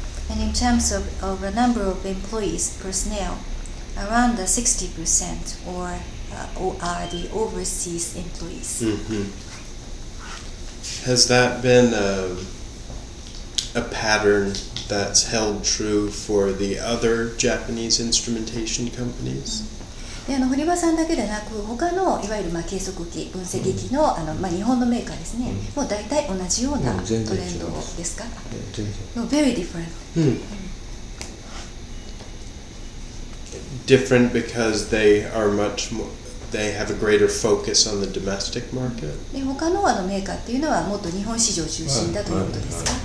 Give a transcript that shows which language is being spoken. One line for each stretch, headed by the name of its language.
English: And in terms of a number of employees, personnel, around 60% are the overseas employees. Has that been a pattern that's held true for the other Japanese instrumentation companies?
Japanese: で、堀場さんだけでなく、他のいわゆる、まあ、計測器、分析器 の、うん、あのまあ、日本のメーカーですね、うん、もう大体同じようなトレンドですか？全然違う。
English: Very different、うんうん、Different because they are much more... They have a greater focus on the domestic market.
Japanese: で、他のあのメーカーっていうのはもっと日本市場中心だということですか？